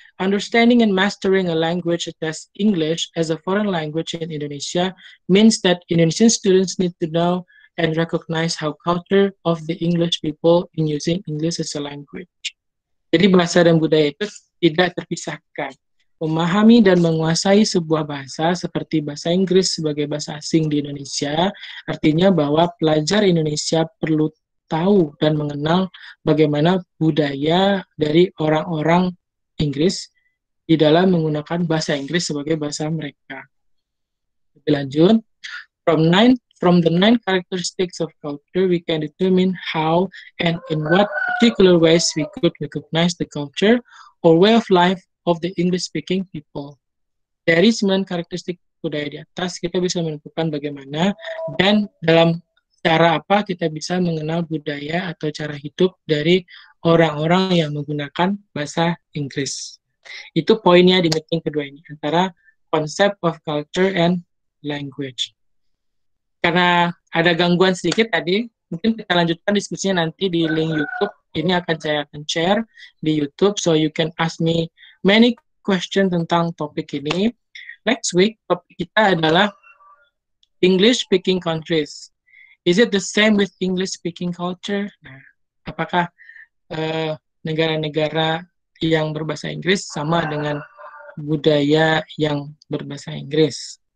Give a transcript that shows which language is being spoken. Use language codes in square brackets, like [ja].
[en] Understanding and mastering a language such as English as a foreign language in Indonesia means that Indonesian students need to know and recognize how culture of the English people in using English as a language. [id] Jadi bahasa dan budaya itu tidak terpisahkan. Memahami dan menguasai sebuah bahasa seperti bahasa Inggris sebagai bahasa asing di Indonesia artinya bahwa pelajar Indonesia perlu tahu dan mengenal bagaimana budaya dari orang-orang Inggris di dalam menggunakan bahasa Inggris sebagai bahasa mereka. Lebih lanjut, [en] from the nine characteristics of culture, we can determine how and in what particular ways we could recognize the culture or way of life of the English speaking people. [id] Dari 9 karakteristik budaya di atas, kita bisa menentukan bagaimana dan dalam cara apa kita bisa mengenal budaya atau cara hidup dari orang-orang yang menggunakan bahasa Inggris. Itu poinnya di meeting kedua ini, antara [en] concept of culture and language. [id] Karena ada gangguan sedikit tadi, mungkin kita lanjutkan diskusinya nanti di link YouTube. Ini akan saya akan share di YouTube, [en] so you can ask me many questions [id] tentang topik ini. [en] Next week, [id] topik kita adalah [en] English speaking countries. Is it the same with English speaking culture? [id] Nah, apakah negara-negara yang berbahasa Inggris sama dengan budaya yang berbahasa Inggris?